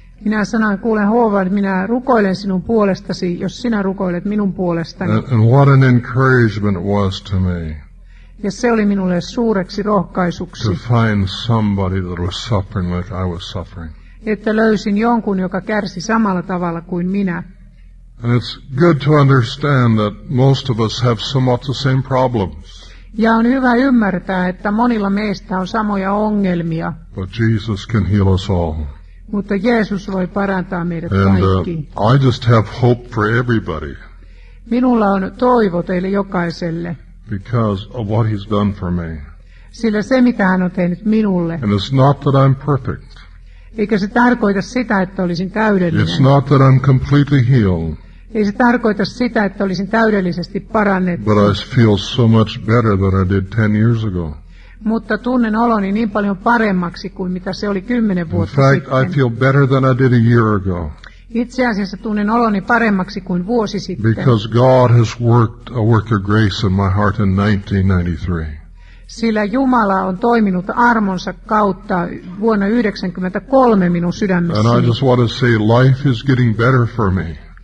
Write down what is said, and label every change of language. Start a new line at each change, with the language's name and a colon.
Finnish: Minä sanoin, kuule Howard, minä rukoilen sinun puolestasi, jos sinä rukoilet minun puolestani.
English: And what an encouragement it was to me.
Finnish: Ja se oli minulle suureksi rohkaisuksi.
English: To find somebody that was suffering like I was suffering.
Finnish: Että löysin jonkun, joka kärsi samalla tavalla kuin minä.
English: And it's good to understand that most of us have somewhat the same problems.
Finnish: Ja on hyvä ymmärtää, että monilla meistä on samoja ongelmia.
English: But Jesus can heal us all.
Finnish: Mutta Jeesus voi parantaa meidät
English: and,
Finnish: kaikki.
English: I just have hope for everybody.
Finnish: Minulla on toivo teille jokaiselle.
English: Because of what he's done for me.
Finnish: Sillä se, mitä hän on tehnyt minulle.
English: And it's not that I'm perfect.
Finnish: Eikä se tarkoita sitä, että olisin täydellinen.
English: It's not that I'm completely healed.
Finnish: Ei se tarkoita sitä, että olisin täydellisesti parannettu.
English: But I feel so much better than I did 10 years ago.
Finnish: Mutta tunnen oloni niin paljon paremmaksi kuin mitä se oli 10 vuotta
English: in fact,
Finnish: sitten.
English: I feel better than I did a year ago.
Finnish: Itse asiassa tunnen oloni paremmaksi kuin vuosi sitten.
English: Because God has worked a work of grace in my heart in 1993.
Finnish: Sillä Jumala on toiminut armonsa kautta vuonna 1993 minun sydämessäni.
English: And I just want to say life is getting better for me.